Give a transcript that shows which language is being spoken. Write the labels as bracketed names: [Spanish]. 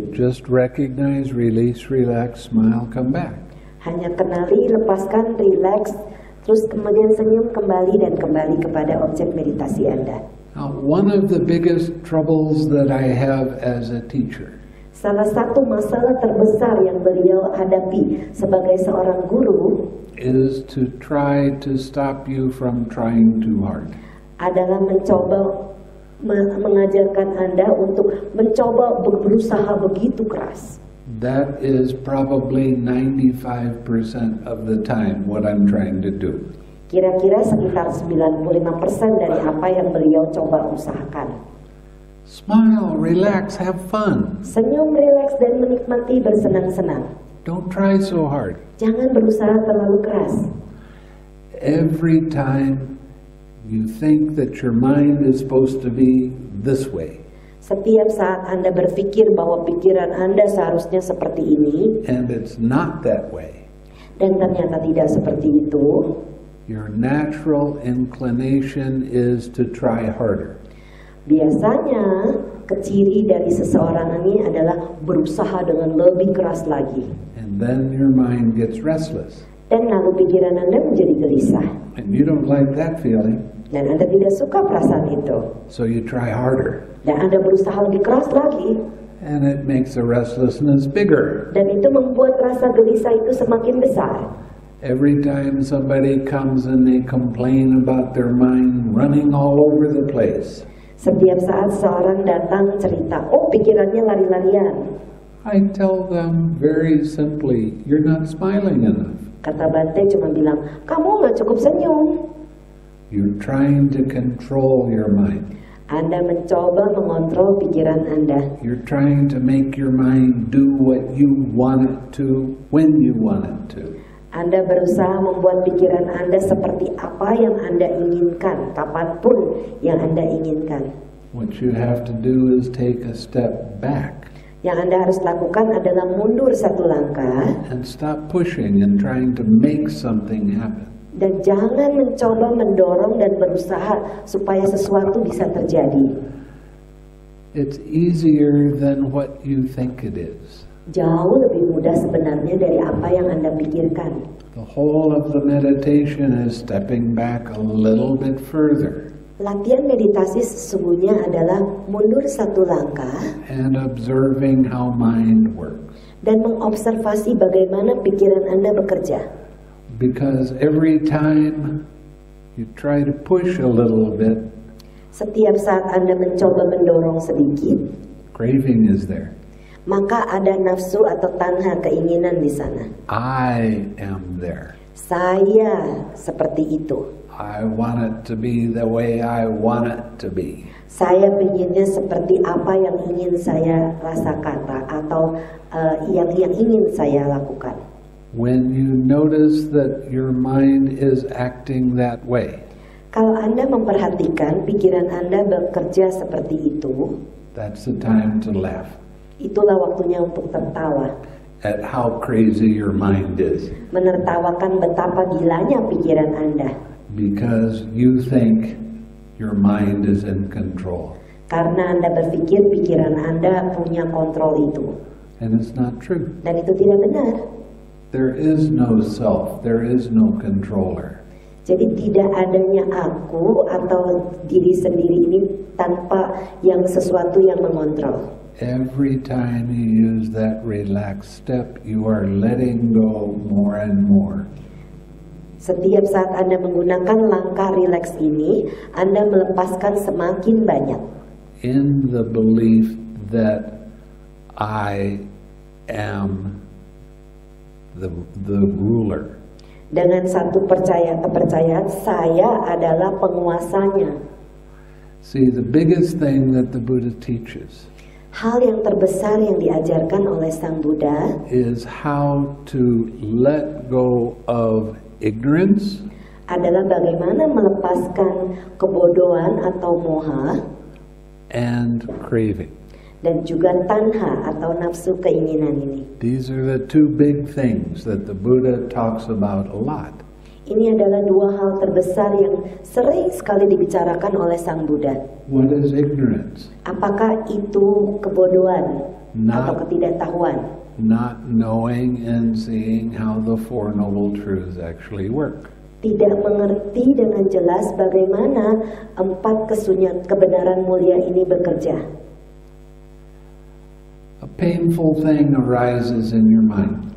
[English] Just recognize, release, relax, smile, come back. [Indonesian] Hanya kenali, lepaskan, relax, terus kemudian senyum kembali dan kembali kepada objek meditasi Anda. [English] Now, one of the biggest troubles that I have as a teacher. [Indonesian] Salah satu masalah terbesar yang beliau hadapi sebagai seorang guru [English] is to try to stop you from trying too hard. [Indonesian] Adalah mencoba mengajarkan Anda untuk mencoba berusaha begitu keras. [English] That is probably 95% of the time what I'm trying to do. [Indonesian] Kira-kira sekitar 95% dari apa yang beliau coba usahakan. [English] Smile, relax, have fun. [Indonesian] Senyum, relax, dan menikmati bersenang-senang. [English] Don't try so hard. [Indonesian] Jangan berusaha terlalu keras. [English] Every time you think that your mind is supposed to be this way. [Indonesian] Setiap saat Anda berpikir bahwa pikiran Anda seharusnya seperti ini. [English] And it's not that way. [Indonesian] Dan ternyata tidak seperti itu. [English] Your natural inclination is to try harder. [Indonesian] Biasanya, keciri dari seseorang ini adalah berusaha dengan lebih keras lagi. [English] And then your mind gets restless. [Indonesian] Dan lalu pikiran Anda menjadi gelisah. [English] And you don't like that feeling. [Indonesian] Dan Anda tidak suka perasaan itu. [English] So you try harder. [Indonesian] Dan Anda berusaha lebih keras lagi. [English] And it makes the restlessness bigger. [Indonesian] Dan itu membuat rasa gelisah itu semakin besar. [English] Every time somebody comes and they complain about their mind running all over the place. [Indonesian] Setiap saat seorang datang cerita, oh pikirannya lari-larian. [English] I tell them very simply, you're not smiling enough. [Indonesian] Kata Bante cuma bilang, kamu nggak cukup senyum. [English] You're trying to control your mind. [Indonesian] Anda mencoba mengontrol pikiran Anda. [English] You're trying to make your mind do what you want it to, when you want it to. [Indonesian] Anda berusaha membuat pikiran Anda seperti apa yang Anda inginkan, kapanpun yang Anda inginkan. [English] What you have to do is take a step back. [Indonesian] Yang Anda harus lakukan adalah mundur satu langkah. [English] And stop pushing and trying to make something happen. [Indonesian] Dan jangan mencoba mendorong dan berusaha supaya sesuatu bisa terjadi. [English] It's easier than what you think it is. [Indonesian] Jauh lebih mudah sebenarnya dari apa yang Anda pikirkan. [English] The whole of the meditation is stepping back a little bit further. [Indonesian] Latihan meditasi sesungguhnya adalah mundur satu langkah. [English] And observing how mind works. [Indonesian] Dan mengobservasi bagaimana pikiran Anda bekerja. [English] Because every time you try to push a little bit. [Indonesian] Setiap saat Anda mencoba mendorong sedikit. [English] Craving is there. [Indonesian] Maka ada nafsu atau tanha keinginan di sana. [English] I am there. [Indonesian] Saya seperti itu. [English] I want it to be the way I want it to be. [Indonesian] Saya inginnya seperti apa yang ingin saya rasakan atau yang ingin saya lakukan. [English] When you notice that your mind is acting that way. [Indonesian] Kalau Anda memperhatikan pikiran Anda bekerja seperti itu. [English] That's the time to laugh. [Indonesian] Itulah waktunya untuk tertawa. [English] At how crazy your mind is. [Indonesian] Menertawakan betapa gilanya pikiran Anda. [English] Because you think your mind is in control. [Indonesian] Karena Anda berpikir pikiran Anda punya kontrol itu. [English] And it's not true. [Indonesian] Dan itu tidak benar. [English] There is no self, there is no controller. [Indonesian] Jadi tidak adanya aku atau diri sendiri ini tanpa yang sesuatu yang mengontrol. [English] Every time you use that relaxed step, you are letting go more and more. [Indonesian] Setiap saat Anda menggunakan langkah rileks ini, Anda melepaskan semakin banyak. [English] In the belief that I am the ruler. [Indonesian] Dengan satu kepercayaan, saya adalah penguasanya. [English] See, the biggest thing that the Buddha teaches. [Indonesian] Hal yang terbesar yang diajarkan oleh Sang Buddha [English] is how to let go of ignorance. [Indonesian] Adalah bagaimana melepaskan kebodohan atau moha [English] and craving. [Indonesian] Dan juga tanha atau nafsu keinginan ini. [English] These are the two big things that the Buddha talks about a lot. [Indonesian] Ini adalah dua hal terbesar yang sering sekali dibicarakan oleh Sang Buddha. [English] What is ignorance? [Indonesian] Apakah itu kebodohan atau ketidaktahuan? [English] Not knowing and seeing how the Four Noble Truths actually work. [Indonesian] Tidak mengerti dengan jelas bagaimana empat kesunyian kebenaran mulia ini bekerja. [English] A painful thing arises in your mind.